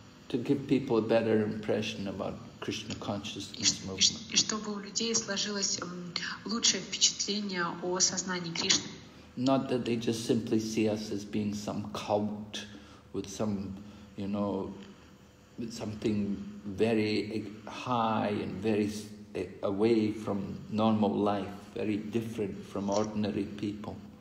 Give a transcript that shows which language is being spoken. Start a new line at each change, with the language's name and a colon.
English: To give people a better impression about Krishna consciousness movement.
Russian: И чтобы у людей сложилось лучшее впечатление о сознании Кришны.
English: Not that they just simply see us as being some cult with some, you know, with something very high and very away from normal life, very different from ordinary people.